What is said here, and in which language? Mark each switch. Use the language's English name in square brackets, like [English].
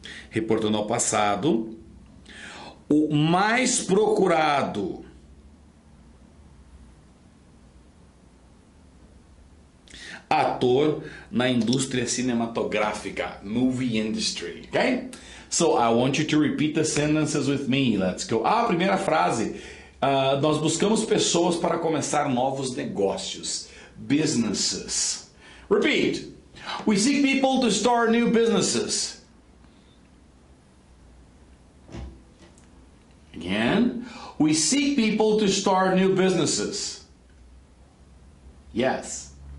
[Portuguese] Reportando ao passado, o mais procurado ator na indústria cinematográfica, movie industry, ok? [English] So, I want you to repeat the sentences with me, let's go. [Portuguese] Ah, primeira frase, nós buscamos pessoas para começar novos negócios, businesses. [English] Repeat, we seek people to start new businesses. Again, we seek people to start new businesses. Yes.